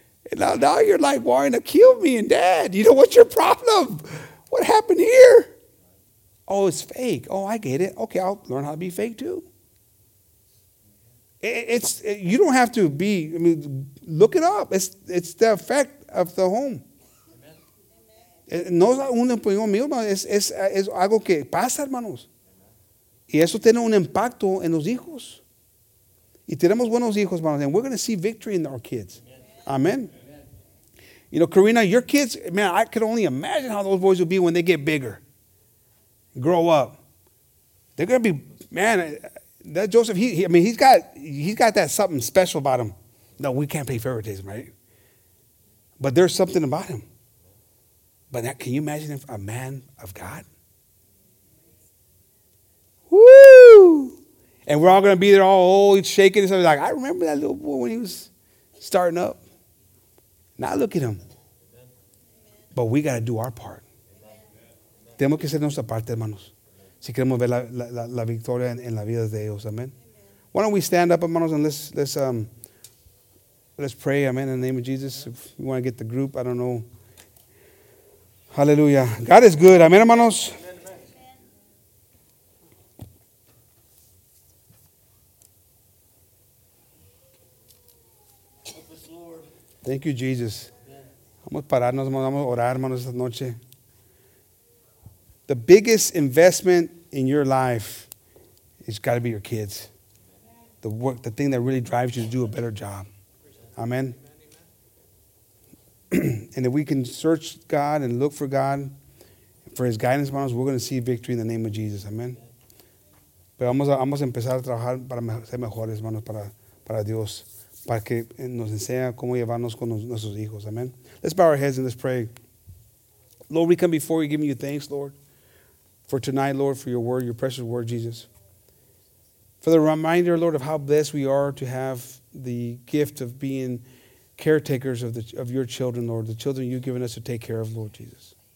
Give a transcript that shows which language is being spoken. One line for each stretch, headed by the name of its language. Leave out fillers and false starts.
English: And now you're like wanting to kill me and Dad. You know, what's your problem? What happened here? Oh, it's fake. Oh, I get it. Okay, I'll learn how to be fake too. You don't have to be, I mean, look it up. It's the effect of the home.
Spanish: No es un empleo mío, es algo que pasa, hermanos. Y eso tiene un impacto en los hijos. Y tenemos buenos hijos, hermanos.
English: And we're going to see victory in our kids. Amen. You know, Karina, your kids, man, I could only imagine how those boys will be when they get bigger, grow up. They're going to be, man, that Joseph, he's got that something special about him. No, we can't pay favoritism, right? But there's something about him. But that, can you imagine if a man of God? Woo! And we're all going to be there all old, shaking and stuff. Like, I remember that little boy when he was starting up. Now look at him. But we got to do our part.
Spanish: Tenemos que hacer nuestra parte, hermanos. Si queremos ver la victoria en la vida de ellos. Amen.
English: Why don't we stand up, hermanos, and let's pray. Amen. In the name of Jesus. If we want to get the group, I don't know. Hallelujah. God is good. Amen, hermanos. Thank you, Jesus.
Spanish: Vamos a pararnos, vamos a orar, hermanos, esta noche.
English: The biggest investment in your life has got to be your kids. The work, the thing that really drives you to do a better job. Amen. And if we can search God and look for God for his guidance, hermanos, we're going to see victory in the name of Jesus. Amen.
Spanish: Pero vamos a empezar a trabajar para ser mejores, hermanos, para Dios, para que nos enseñe cómo llevarnos con nuestros hijos.
English: Amen. Let's bow our heads and let's pray. Lord, we come before you giving you thanks, Lord, for tonight, Lord, for your word, your precious word, Jesus. For the reminder, Lord, of how blessed we are to have the gift of being caretakers of your children, Lord, the children you've given us to take care of, Lord Jesus.